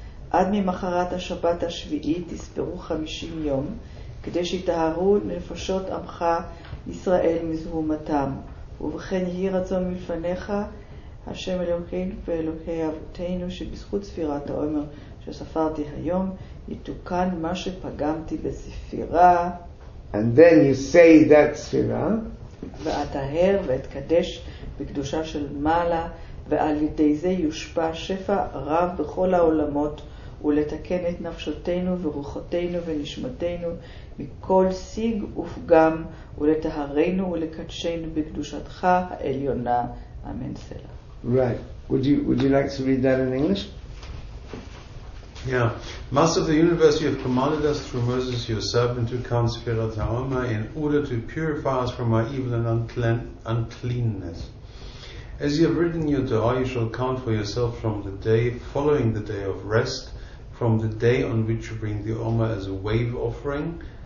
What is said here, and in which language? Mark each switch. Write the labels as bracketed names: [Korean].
[Hebrew] עד ממחרת השבת השביעית תספרו 50 יום, כדי שיתהרו נפשות עמך ישראל מזהומתם. ובכן יהי רצון מלפניך, השם אלוקינו ואלוקי אבותינו, שבזכות ספירת העומר שספרתי היום, יתוקן מה שפגמתי בספירה. [English] And then you say that ספירה. [Hebrew] ואתהר ואתקדש בקדושה של מעלה, ועל ידי זה יושפע שפע רב בכל העולמות, ולתקן את נפשותינו ורוחותינו ונשמתנו מכל סיג ופגם, ולתהרינו ולקדשנו בקדושתך העליונה. אמן סלע. [English] Right. Would you like to read that in English? Yeah. Master of the universe, you have commanded us through Moses, your servant, to count Sefirat HaOmer in order to purify us from our evil and uncleanness. As you have written your Torah, you shall count for yourself from the day following the day of rest, from the day on which you bring the Omer as a wave offering.